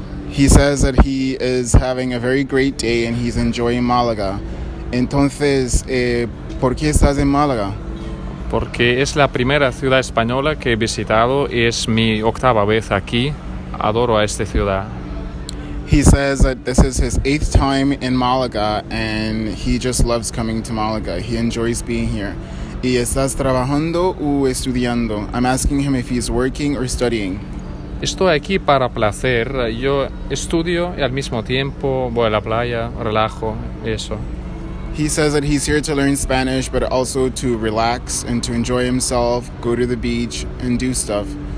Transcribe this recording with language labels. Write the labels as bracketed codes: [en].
[en] He says that he is having a very great day and he's enjoying Málaga. [es] Entonces, ¿por qué estás en Málaga? Porque es la primera ciudad española que he visitado y es mi octava vez aquí. Adoro a esta ciudad. [en] He says that this is his eighth time in Málaga and he just loves coming to Málaga. He enjoys being here. [es] ¿Y estás trabajando o estudiando? [en] I'm asking him if he's working or studying. [es] Estoy aquí para placer. Yo estudio y al mismo tiempo voy a la playa, relajo, eso. [en] He says that he's here to learn Spanish, but also to relax and to enjoy himself, go to the beach and do stuff.